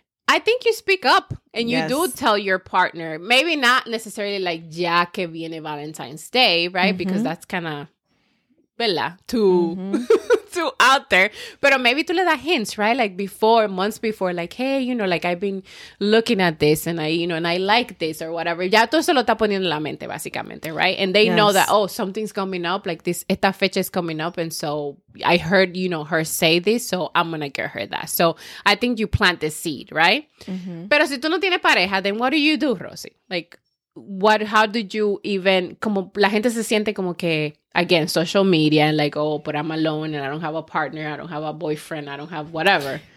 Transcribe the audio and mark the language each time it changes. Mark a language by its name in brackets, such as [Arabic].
[English] I think you speak up and you yes. do tell your partner, maybe not necessarily like [Spanish] ya que viene [English] Valentine's Day, right? Mm-hmm. Because that's kind of, bella, too, mm-hmm. too out there. But maybe tú le das hints, right? Like before, months before, like, hey, you know, like I've been looking at this and I, you know, and I like this or whatever. [Spanish] Ya tú se lo está poniendo en la mente, básicamente, right? [English] And they yes. know that, oh, something's coming up, like this, [Spanish] esta fecha [English] is coming up. And so I heard, you know, her say this, so I'm going to get her that. So I think you plant the seed, right? Mm-hmm. [Spanish] Pero si tú no tienes pareja, [English] then what do you do, Rosy? Like, what, how did you even, [Spanish] como la gente se siente como que, [English] again, social media and like, oh, but I'm alone and I don't have a partner, I don't have a boyfriend, I don't have whatever.